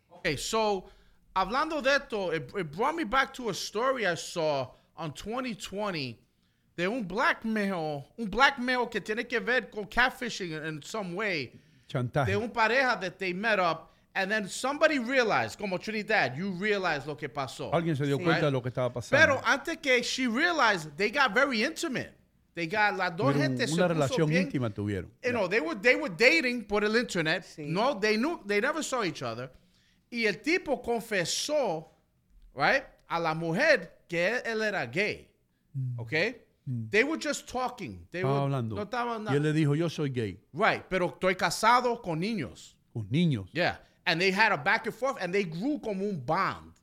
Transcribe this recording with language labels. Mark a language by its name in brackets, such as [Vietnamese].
[English] Okay, so, [Spanish] hablando de esto, [English] it brought me back to a story I saw on 2020 de un black male [Spanish] que tiene que ver con [English] catfishing in some way. [Spanish] Chantaje. De un pareja [English] that they met up and then somebody realized, como Trinidad, you realize [Spanish] lo que pasó. Alguien se dio cuenta de lo que estaba pasando. Pero antes que [English] she realized, they got very intimate. They got, [Spanish] las dos gentes una relación íntima tuvieron. [English] You know, they were dating [Spanish] por el internet. [English] Sí. No, they never saw each other. [Spanish] Y el tipo confesó, right, a la mujer que él era gay. [English] Okay? They were just talking. [Spanish] Estaban hablando. No estaban nada. Y él le dijo, yo soy gay. [English] Right, [Spanish] pero estoy casado con niños. Con niños. [English] Yeah. And they had a back and forth, and they grew [Spanish] como un bond.